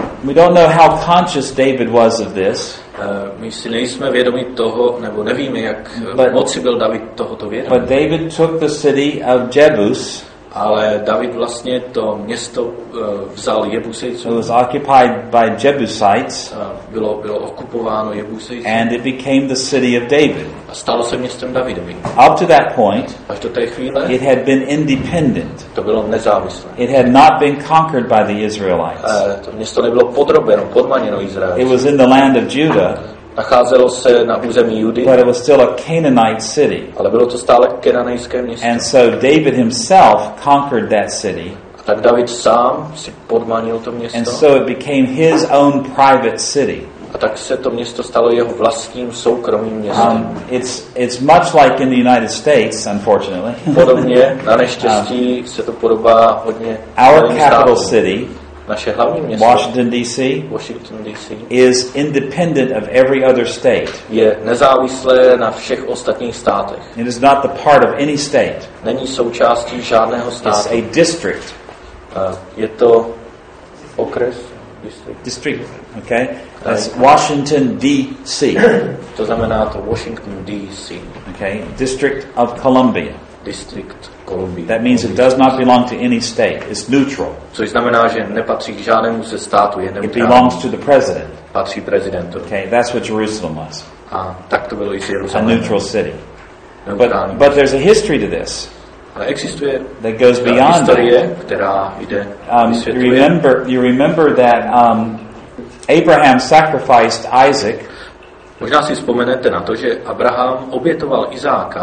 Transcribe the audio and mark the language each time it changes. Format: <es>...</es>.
<en>We don't know how conscious David was of this.</en> <cs>My si nejsme vědomi toho, nebo nevíme, jak moci byl David tohoto vědomí.</cs> <en>But David took the city of Jebus.</en> <cs>Ale David vlastně to město vzal Jebusejcům.</cs> <en>It was occupied by Jebusites.</en> <cs>Bylo okupováno Jebusejci.</cs> <en>And it became the city of David.</en> <cs>A stalo se městem Davidovým.</cs> <en>Up to that point,</en> <cs>až do té chvíle,</cs> <en>it had been independent.</en> <cs>To bylo nezávislé.</cs> <en>It had not been conquered by the Israelites.</en> <cs>To město nebylo podrobeno, podmaněno Izraelci.</cs> <en>It was in the land of Judah.</en> <cs>Nacházelo se na území Judy,</cs> <en>but it was still a Canaanite city.</en> <cs>Ale bylo to stále kenanejské město.</cs> <en>And so David himself conquered that city.</en> <cs>A tak David sám si podmanil to město.</cs> <en>And so it became his own private city.</en> <cs>A tak se to město stalo jeho vlastním soukromým městem.</cs> <en>It's much like in the United States, unfortunately.</en> <cs>Podobně, na neštěstí se to podobá hodně.</cs> <en>Our capital city,</en> <cs>naše hlavní město,</cs> <en>Washington D.C. is independent of every other state.</en> <cs>Je nezávislé na všech ostatních státech.</cs> <en>It is not the part of any state.</en> <cs>Není součástí žádného státu.</cs> <en>It's a district.</en> <cs>Je to okres, district.</cs> <en>Okay. That's Washington D.C.</en> <cs>To znamená to Washington D.C.</cs> <en>Okay. District of Columbia.</en> <cs>District Columbia.</cs> <en>That means it does not belong to any state. It's neutral.</en> <cs>Což znamená, že nepatří k žádnému ze států, je neutrální.</cs> <en>It belongs to the president.</en> <cs>Patří prezidentu.</cs> <en>Okay, that's what Jerusalem was.</en> <cs>A tak to bylo i s Jeruzalémem.</cs> <en>A neutral city. But there's a history to this.</en> <cs>A existuje</cs> <en>that goes beyond</en> <cs>historie, která jde vysvětluje.</cs> <en>You remember that Abraham sacrificed Isaac.</en> <cs>Možná si vzpomenete na to, že Abraham obětoval Izáka</cs>